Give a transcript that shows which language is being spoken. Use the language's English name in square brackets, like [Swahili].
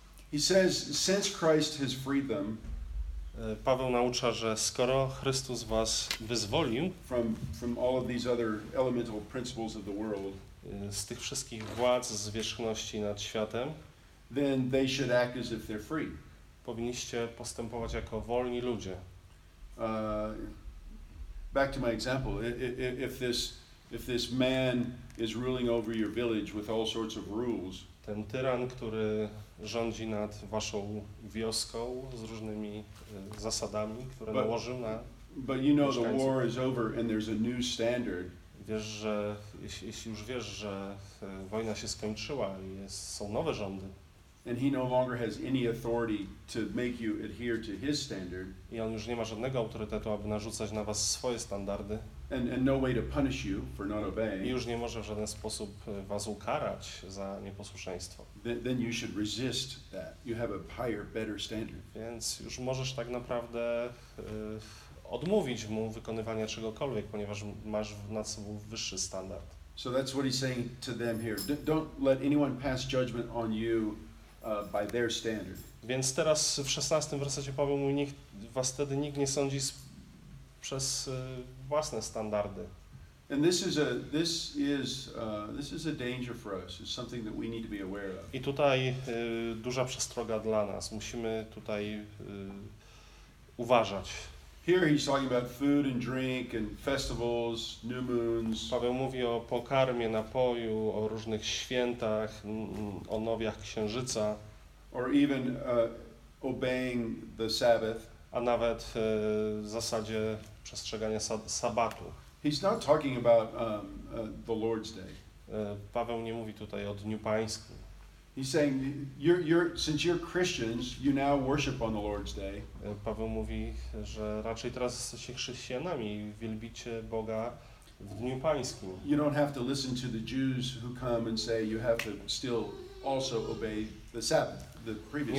[English] He says, since Christ has freed them, [Polish] Paweł naucza, że skoro Chrystus was wyzwolił [English] from all of these other elemental principles of the world, [Polish] z tych wszystkich władz, zwierzchności nad światem, [English] then they should act as if they're free. [Polish] Powinniście postępować jako wolni ludzie. [English] Back to my example, if this man is ruling over your village with all sorts of rules, [Polish] ten tyran, który rządzi nad waszą wioską z różnymi zasadami, które nałożył na [English] But you know the war is over and there's a new standard. [Polish] Wiesz, że jeśli już wiesz, że wojna się skończyła i są nowe rządy. [English] And he no longer has any authority to make you adhere to his standard. [Polish] I on już nie ma żadnego autorytetu, aby narzucać na was swoje standardy. [English] And no way to punish you for not obeying. [Polish] I już nie może w żaden sposób was ukarać za nieposłuszeństwo. [English] Then you should resist that. You have a higher, better standard. [Polish] Więc już możesz tak naprawdę odmówić mu wykonywania czegokolwiek, ponieważ masz nad sobą wyższy standard. [English] So that's what he's saying to them here. Don't let anyone pass judgment on you by their standard. [Polish] Więc teraz w 16 wersecie Paweł mówi, nikt was wtedy nikt nie sądzi przez własne standardy. [English] And this is a danger for us. It's something that we need to be aware of. [Polish] I tutaj duża przestroga dla nas. Musimy tutaj uważać. [English] Here he's talking about food and drink and festivals, new moons. [Polish] Paweł mówi o pokarmie, napoju, o różnych świętach, o nowiach księżyca. [English] Or even obeying the Sabbath. [Polish] A nawet w zasadzie przestrzegania sabatu. [English] He's not talking about the Lord's Day. [Polish] Paweł nie mówi tutaj o Dniu Pańskim. [English] He's saying, since you're Christians, you now worship on the Lord's Day. [Polish] Paweł mówi, że raczej teraz jesteście chrześcijanami i wielbicie Boga w Dniu Pańskim. [English] You don't have to listen to the Jews who come and say you have to still also obey the Sabbath, the previous